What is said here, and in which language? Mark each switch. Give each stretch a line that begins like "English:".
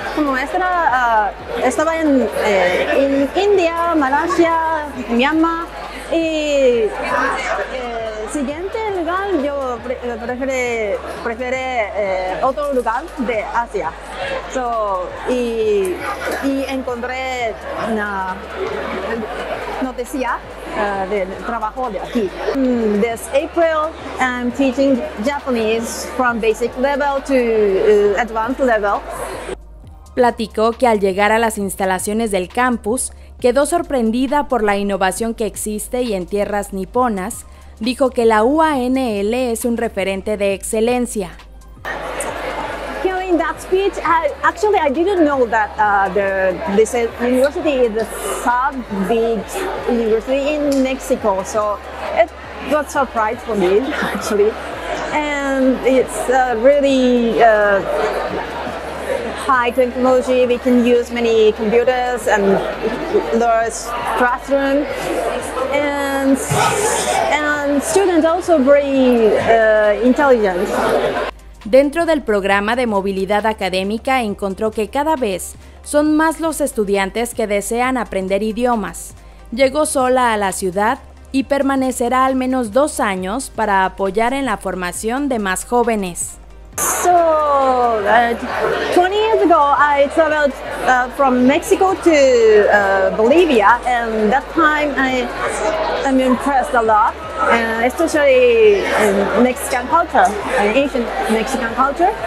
Spanish: Como maestra estaba en India, Malasia, Myanmar y siguiente lugar yo prefiero otro lugar de Asia. Y encontré una noticia del trabajo de aquí.
English: This April, I'm teaching Japanese from basic level to advanced level.
Spanish: Platicó que al llegar a las instalaciones del campus, quedó sorprendida por la innovación que existe y en tierras niponas, dijo que la UANL es un referente de excelencia.
English: Hearing that speech, I didn't know that this university is the third big university in Mexico, so it was a surprise for me, actually. And it's really high technology. We can use many computers and large classroom, and students also very intelligent.
Spanish: Dentro del programa de movilidad académica encontró que cada vez son más los estudiantes que desean aprender idiomas. Llegó sola a la ciudad y permanecerá al menos 2 años para apoyar en la formación de más jóvenes.
English: So, 20 years ago, I traveled from Mexico to Bolivia, and that time I'm impressed a lot, especially in Mexican culture, ancient Mexican culture.